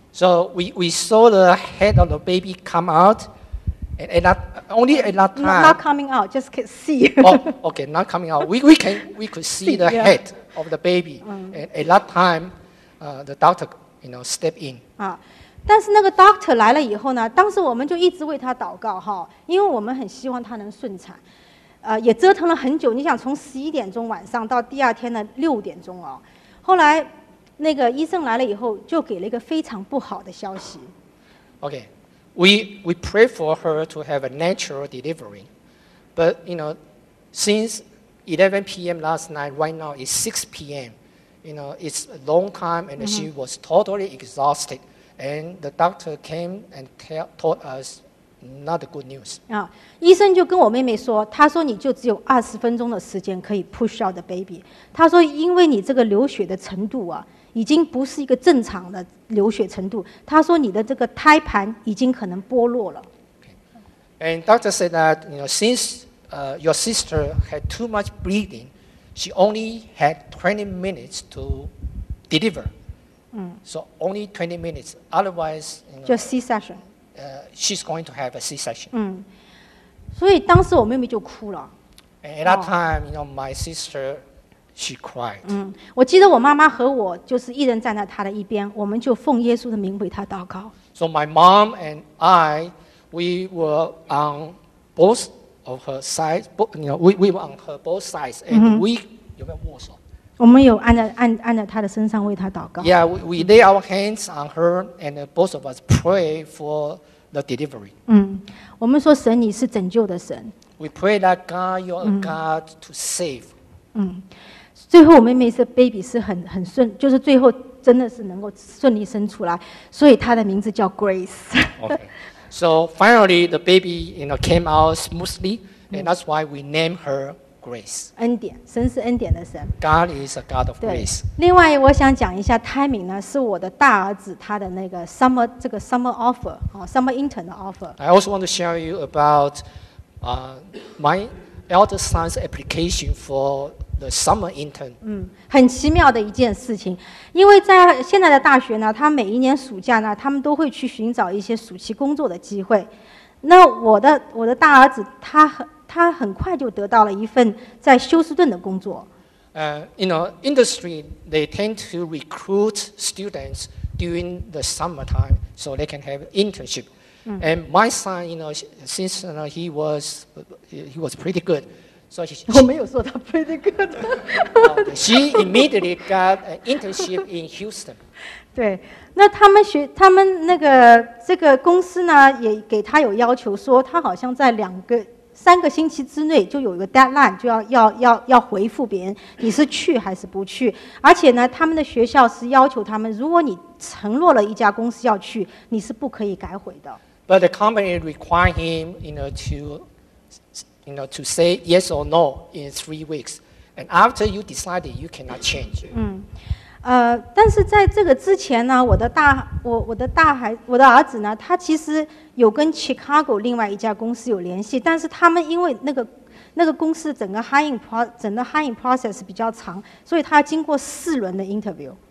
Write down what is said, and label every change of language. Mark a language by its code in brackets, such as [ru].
[en] So we saw the head of the baby come out, and not only at that time. Not coming out, just can see. Oh, okay, not coming out. We could see the head of the baby. And at that time, the doctor, you know, step in. [zh] 但是那个 doctor 来了以后呢，当时我们就一直为他祷告哈，因为我们很希望他能顺产，也折腾了很久。你想从11点钟晚上到第二天的6点钟哦，后来那个医生来了以后，就给了一个非常不好的消息。 [en] Okay, we pray for her to have a natural delivery, but you know, since 11 p.m. last night, right now it's 6 p.m. You know, it's a long time, and she was totally exhausted. And the doctor came and told us not good news. [zh] 啊，医生就跟我妹妹说，他说你就只有20分钟的时间可以 [en] push out the baby. [zh] 他说因为你这个流血的程度啊，已经不是一个正常的流血程度。他说你的这个胎盘已经可能剥落了。 [en] Okay. And doctor said that you know since your sister had too much bleeding, she only had 20 minutes to deliver. So only 20 minutes. Otherwise, you know, just C-section. She's going to have a C-section. [zh] 所以当时我妹妹就哭了。 [en] And at that time, you know, my sister, she cried. [zh] 我记得我妈妈和我就是一人站在她的一边，我们就奉耶稣的名为她祷告。 [en] So my mom and I, we were on both of her sides. You know, we were on her both sides, and we [zh] 有没有握手？我们有按在她的身上为她祷告。 [en] Yeah, we lay our hands on her and both of us pray for the delivery. [zh] 嗯，我们说神你是拯救的神。 [en] We pray that God, you're a God to save. [zh] 嗯，最后我妹妹是 baby 是很顺，就是最后真的是能够顺利生出来，所以她的名字叫 Grace. [en] Okay. So finally, the baby, you know, came out smoothly, and that's why we name her. Grace. [zh] 恩典，神是恩典的神。 [en] God is a God of grace. [zh] 另外，我想讲一下 timing 呢，是我的大儿子他的那个 summer 这个 summer offer 啊 ，summer intern 的 offer. [en] I also want to share you about, my eldest son's application for the summer intern. [zh] 嗯，很奇妙的一件事情，因为在现在的大学呢，他每一年暑假呢，他们都会去寻找一些暑期工作的机会。那我的大儿子他很快就得到了一份在休斯顿的工作。 [en] You know, industry they tend to recruit students during the summertime so they can have internship.、嗯、 And my son, you know, since you know, he was pretty good, so she, [zh] 我没有说他 [en] pretty good. she immediately got an internship in Houston. [zh] 对，那他们那个这个公司呢，也给他有要求，说他好像在三个星期之内就有一个 deadline， 就要回复别人你是去还是不去。而且呢，他们的学校是要求他们，如果你承诺了一家公司要去，你是不可以改回的。 [en] But the company require him, to say yes or no in 3 weeks, and after you decided, you cannot change. [zh] 嗯，但是在这个之前呢，我的儿子呢，他其实有跟 Chicago 另外一家公司有联系，但是他们因为那个公司整个 hiring process 比较长，所以他要经过4轮的 interview.